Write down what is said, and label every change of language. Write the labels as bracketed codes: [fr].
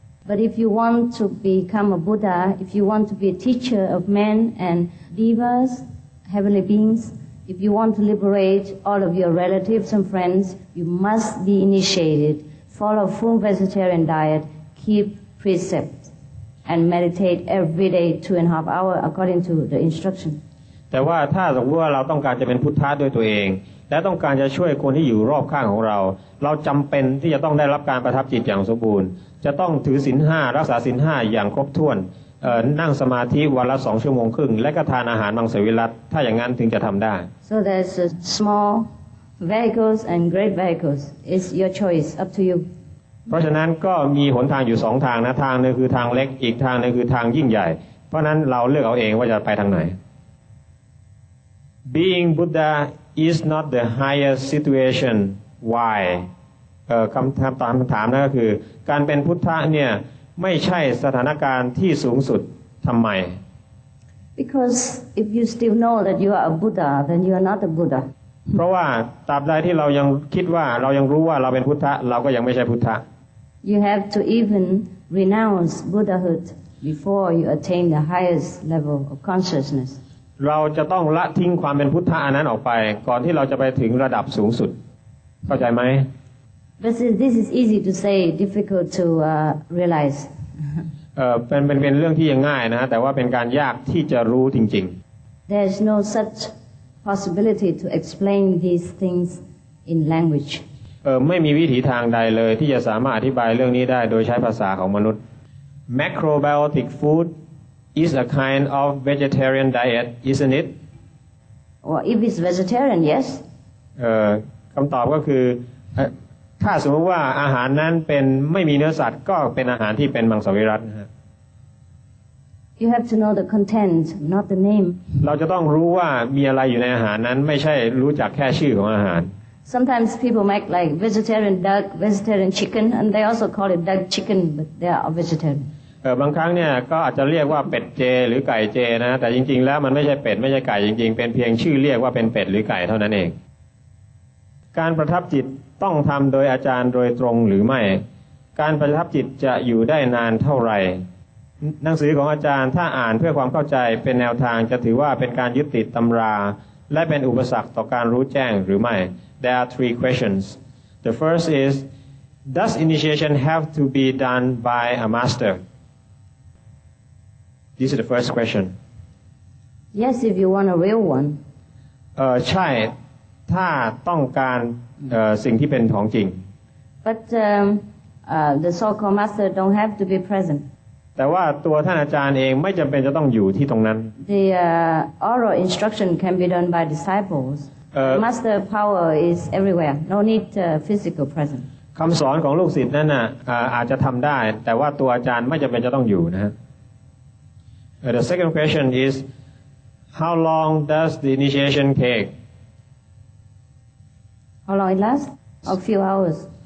[en] But if you want to become a Buddha, if you want to be a teacher of men and devas, heavenly beings, if you want to liberate all of your relatives and friends, you must be initiated, follow full vegetarian diet, keep precepts, and meditate every day 2.5 hours according to the instruction. [th] แต่ว่าถ้าสมมติว่าเราต้องการจะเป็นพุทธะด้วยตัวเองและต้องการจะช่วยคนที่อยู่รอบข้างของเราเราจำเป็นที่จะต้องได้รับการประทับจิตอย่างสมบูรณ์จะต้องถือศีล5รักษาศีล5อย่างครบถ้วนนั่งสมาธิวันละ2ชั่วโมงครึ่งและก็ทานอาหารมังสวิรัติถ้าอย่างนั้นถึงจะทำได้ [en] So there's a small vehicles and great vehicles it's your choice up to you [th] เพราะฉะนั้นก็มีหนทางอยู่2ทางนะทางนึงคือทางเล็กอีกทางนึงคือทางยิ่งใหญ่เพราะนั้นเราเลือกเอาเองว่าจะไปทางไหน [en] Being BuddhaIs not the highest situation. Why? [th] คำถามนั่นก็คือการเป็นพุทธะเนี่ยไม่ใช่สถานการณ์ที่สูงสุดทำไม [en] Because if you still know that you are a Buddha, then you are not a Buddha. [th] เพราะว่าตราบใดที่เรายังคิดว่าเรายังรู้ว่าเราเป็นพุทธะเราก็ยังไม่ใช่พุทธะ [en] You have to even renounce Buddhahood before you attain the highest level of consciousness. [th] เราจะต้องละทิ้งความเป็นพุทธะอันนั้นออกไปก่อนที่เราจะไปถึงระดับสูงสุดเข้าใจไหม [en] But this is easy to say, difficult to realize. [th] เป็นเรื่องที่ยังง่ายนะฮะแต่ว่าเป็นการยากที่จะรู้จริง [en] ๆ There's no such possibility to explain these things in language. [th] ไม่มีวิธีทางใดเลยที่จะสามารถอธิบายเรื่องนี้ได้โดยใช้ภาษาของมนุษย์ [en] macrobiotic food is a kind of vegetarian diet, isn't it? Well, if it's vegetarian, yes. [th] คำตอบก็คือถ้าสมมติว่าอาหารนั้นเป็นไม่มีเนื้อสัตว์ก็เป็นอาหารที่เป็นมังสวิรัตนะฮะ [en] You have to know the content, not the name. [th] เราจะต้องรู้ว่ามีอะไรอยู่ในอาหารนั้นไม่ใช่รู้จักแค่ชื่อของอาหาร [en] Sometimes people make like vegetarian duck, vegetarian chicken, and they also call it duck chicken, but they are vegetarian. [th] บางครั้งเนี่ยก็อาจจะเรียกว่าเป็ดเจหรือไก่เจนะแต่จริงๆแล้วมันไม่ใช่เป็ดไม่ใช่ไก่จริงๆเป็นเพียงชื่อเรียกว่าเป็นเป็ดหรือไก่เท่านั้นเองการประทับจิตต้องทำโดยอาจารย์โดยตรงหรือไม่การประทับจิตจะอยู่ได้นานเท่าไหร่หนังสือของอาจารย์ถ้าอ่านเพื่อความเข้าใจเป็นแนวทางจะถือว่าเป็นการยึดติดตำราและเป็นอุปสรรคต่อการรู้แจ้งหรือไม่ [en] There are three questions The first is Does initiation have to be done by a master? This is the first question Yes, if you want a real one [th] ใช่ถ้าต้องการสิ่งที่เป็นของจริง [en] But the so-called master don't have to be present [th] แต่ว่าตัวท่านอาจารย์เองไม่จำเป็นจะต้องอยู่ที่ตรงนั้น [en] The oral instruction can be done by disciples Master power is everywhere no need physical present [th] คำสอนของลูกศิษย์นั้นน่ะอาจจะทำได้แต่ว่าตัวอาจารย์ไม่จำเป็นจะต้องอยู่นะฮะ [en] The second question is how long does the initiation take How long it lasts? A few hours.